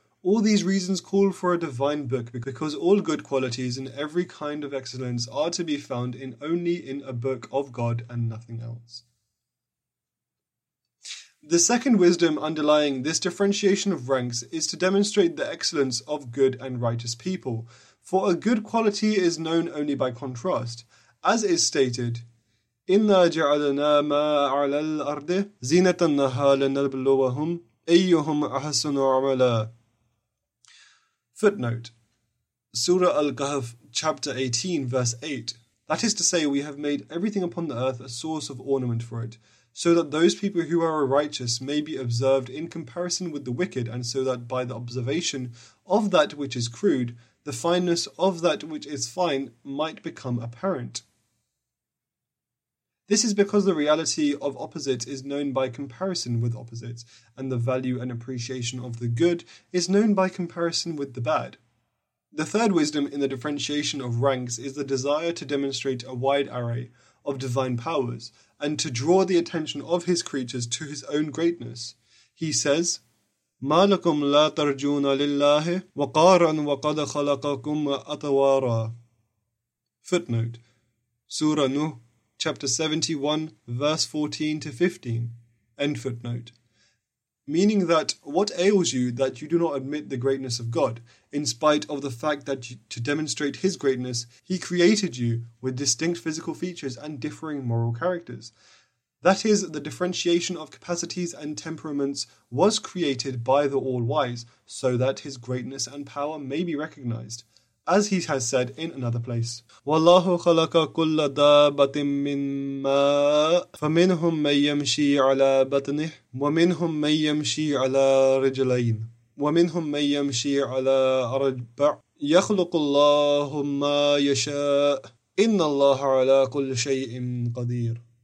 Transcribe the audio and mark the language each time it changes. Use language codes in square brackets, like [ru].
[en] All these reasons call for a divine book, because all good qualities and every kind of excellence are to be found in only in a book of God and nothing else. The second wisdom underlying this differentiation of ranks is to demonstrate the excellence of good and righteous people, for a good quality is known only by contrast. As is stated, [ar] إِنَّا جَعَلَنَا مَا عَلَى الْأَرْضِ زِينَةً لَهَا لَنَبْلُوَهُمْ أَيُّهُمْ أَحَسُنُ عَمَلًا. [en] Footnote, Surah Al-Kahf, chapter 18, verse 8. That is to say, we have made everything upon the earth a source of ornament for it, so that those people who are righteous may be observed in comparison with the wicked, and so that by the observation of that which is crude, the fineness of that which is fine might become apparent. This is because the reality of opposites is known by comparison with opposites, and the value and appreciation of the good is known by comparison with the bad. The third wisdom in the differentiation of ranks is the desire to demonstrate a wide array of divine powers, and to draw the attention of his creatures to his own greatness. He says, [ar] مَا لَكُمْ لَا تَرْجُونَ لِلَّهِ وَقَارًا وَقَدْ خَلَقَكُمْ أَطَوَارًا. [en] Footnote, Surah Nuh, chapter 71, verse 14 to 15, end footnote. Meaning that, what ails you that you do not admit the greatness of God, in spite of the fact that to demonstrate his greatness, he created you with distinct physical features and differing moral characters? That is, the differentiation of capacities and temperaments was created by the All-Wise, so that his greatness and power may be recognized. As he has said in another place, [ar] وَاللَّهُ خَلَقَ كُلَّ دَابَةٍ مِّن مَّاءٍ فَمِنْهُمْ مَنْ يَمْشِي عَلَى بَطْنِهِ وَمِنْهُمْ مَنْ يَمْشِي عَلَى رِجْلَيْنِ وَمِنْهُمْ مَنْ يَمْشِي عَلَى أَرْبَعٍ يَخْلُقُ اللَّهُ مَا يَشَاءُ إِنَّ اللَّهَ عَلَى كُلِّ شَيْءٍ قَدِيرٌ.